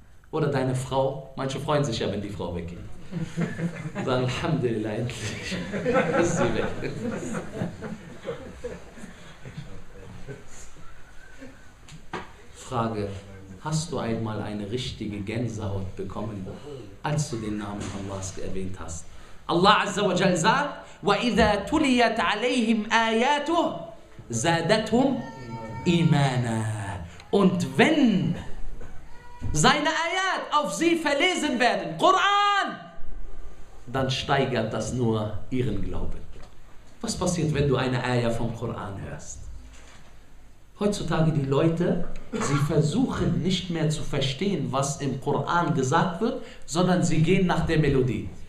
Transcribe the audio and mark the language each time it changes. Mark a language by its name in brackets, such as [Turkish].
[German] Oder deine Frau? Manche freuen sich ja, wenn die Frau weggeht. Sagen, Alhamdulillah, endlich ist sie weg. Frage, hast du einmal eine richtige Gänsehaut bekommen, als du den Namen Allahs erwähnt hast? [Arabic] Allah Azza wa Jal [German] sagt, [Arabic] وَإِذَا تُلِيَتْ عَلَيْهِمْ آيَاتُهُ زَادَتْهُمْ إِمَانًا. [German] Und wenn seine Ayat auf sie verlesen werden, Koran, dann steigert das nur ihren Glauben. Was passiert, wenn du eine Ayat vom Koran hörst? Heutzutage die Leute, sie versuchen nicht mehr zu verstehen, was im Koran gesagt wird, sondern sie gehen nach der Melodie.